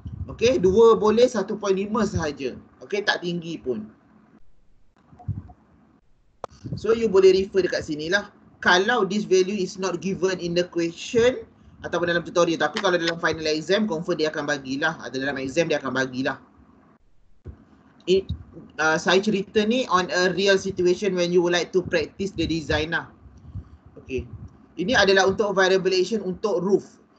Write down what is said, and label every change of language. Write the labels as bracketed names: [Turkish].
[Malay] Okay, 2 boleh, 1.5 sahaja. Okay, tak tinggi pun. So you boleh refer dekat sini lah. Kalau [English] this value is not given in the question [Malay] ataupun dalam tutorial, tapi kalau dalam final exam, confirm dia akan bagilah. Atau dalam exam dia akan bagilah. Saya cerita ni [English] on a real situation when you would like to practice the design lah. Okay. [Malay] Ini adalah untuk variablation untuk roof.